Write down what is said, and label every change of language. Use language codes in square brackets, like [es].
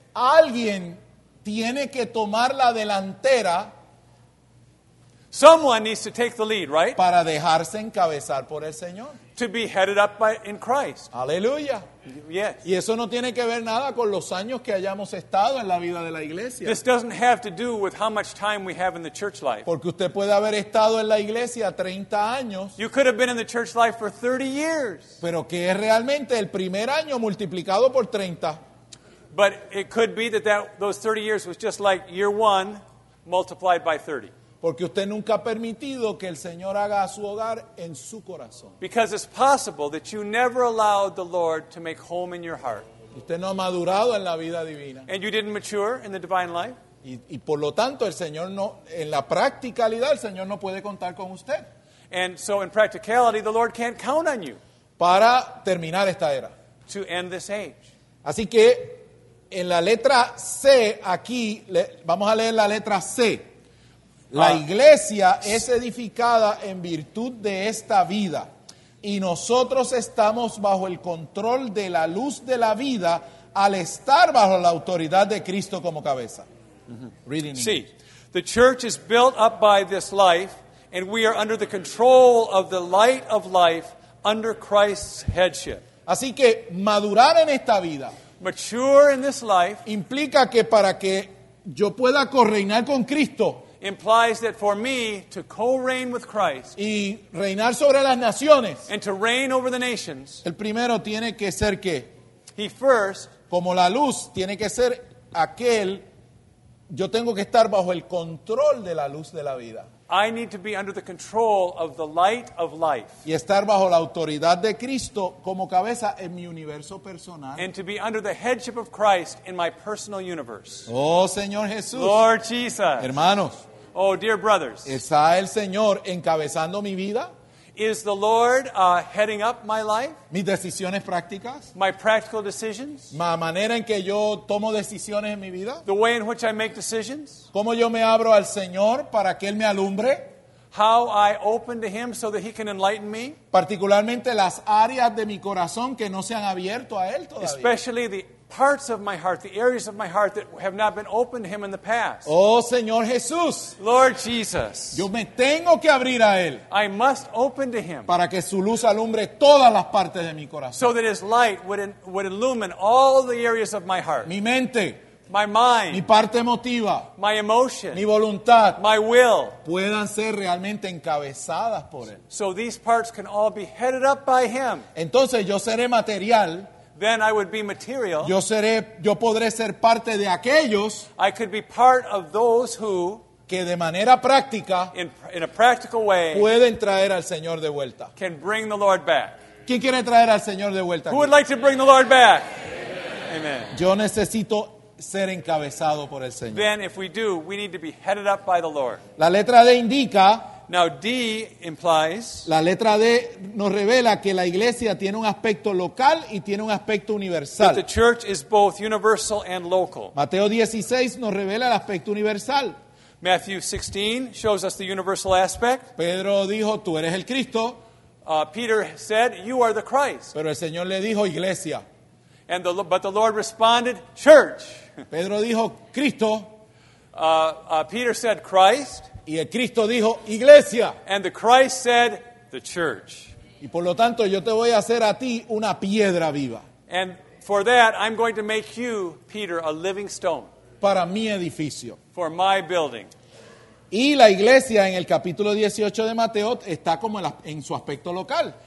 [es] Alguien tiene que tomar la delantera. [en] Someone needs to take the lead, right? [es] Para dejarse encabezar por el Señor. [en] To be headed up by in Christ. [es] Aleluya. [en] Yes. [es] Y eso no tiene que ver nada con los años que hayamos estado en la vida de la iglesia. [en] This doesn't have to do with how much time we have in the church life. [es] Porque usted puede haber estado en la iglesia 30 años. [en] You could have been in the church life for 30 years. [es] Pero que es realmente el primer año multiplicado por 30. [en] But it could be that, those 30 years was just like year one multiplied by 30. [es] Porque usted nunca ha permitido que el Señor haga su hogar en su corazón. [en] Because it's possible that you never allowed the Lord to make home in your heart. [es] Usted no ha madurado en la vida divina. [en] And you didn't mature in the divine life. [es] Y por lo tanto, el Señor no, en la practicalidad, el Señor no puede contar con usted. [en] And so in practicality, the Lord can't count on you. [es] Para terminar esta era. [en] To end this age. [es] Así que, en la letra C, aquí, vamos a leer la letra C. La iglesia es edificada en virtud de esta vida, y nosotros estamos bajo el control de la luz de la vida al estar bajo la autoridad de Cristo como cabeza. [en] Reading. Sí. The church is built up by this life, and we are under the control of the light of life under Christ's headship. [es] Así que madurar en esta vida, [en] mature in this life, [es] implica que para que yo pueda correinar con Cristo, [en] implies that for me to co-reign with Christ, [es] y reinar sobre las naciones, [en] and to reign over the nations, [es] el primero tiene que ser que, [en] he first, [es] como la luz, tiene que ser aquel, yo tengo que estar bajo el control de la luz de la vida. [en] I need to be under the control of the light of life. [es] Y estar bajo la autoridad de Cristo como cabeza en mi universo personal. [en] And to be under the headship of Christ in my personal universe. [es] Oh, Señor Jesús. [en] Lord Jesus. [es] Hermanos. [en] Oh, dear brothers. [es] ¿Está el Señor encabezando mi vida? [en] Is the Lord heading up my life? [es] Mis decisiones prácticas. [en] My practical decisions. [es] La manera en que yo tomo decisiones en mi vida. [en] The way in which I make decisions. [es] Cómo yo me abro al Señor para que Él me alumbre. [en] How I open to Him so that He can enlighten me. [es] Particularmente las áreas de mi corazón que no se han abierto a Él todavía. [en] Especially the parts of my heart, the areas of my heart that have not been opened to Him in the past. [es] Oh, Señor Jesús. [en] Lord Jesus. [es] Yo me tengo que abrir a Él. [en] I must open to Him. [es] Para que su luz alumbre todas las partes de mi corazón. [en] So that His light would illumine all the areas of my heart. [es] Mi mente. [en] My mind. [es] Mi parte emotiva. [en] My emotion. [es] Mi voluntad. [en] My will. [es] Puedan ser realmente encabezadas por Él. [en] So these parts can all be headed up by Him. [es] Entonces yo seré material. [en] Then I would be material. [es] Yo podré ser parte de aquellos. [en] I could be part of those who, [es] que de manera práctica, [en] in a practical way, [es] pueden traer al Señor de vuelta. [en] Can bring the Lord back. [es] ¿Quién quiere traer al Señor de vuelta? [en] Who would like to bring the Lord back? Amen. Amen. [es] Yo necesito ser encabezado por el Señor. [en] Then if we do, we need to be headed up by the Lord. [es] La letra D indica. [en] Now D implies. [es] La letra D nos revela que la iglesia tiene un aspecto local y tiene un aspecto universal. [en] That the church is both universal and local. [es] Mateo 16 nos revela el aspecto universal. [en] Matthew 16 shows us the universal aspect. [es] Pedro dijo, tú eres el Cristo. [en] Peter said, you are the Christ. [es] Pero el Señor le dijo, iglesia. [en] But the Lord responded, church. [es] Pedro dijo, Cristo. [en] Peter said, Christ. [es] Y el Cristo dijo, iglesia. [en] And the Christ said, the church. [es] Y por lo tanto, yo te voy a hacer a ti una piedra viva. [en] And for that, I'm going to make you, Peter, a living stone. [es] Para mi edificio. [en] For my building. [es] Y la iglesia en el capítulo 18 de Mateo está como en su aspecto local.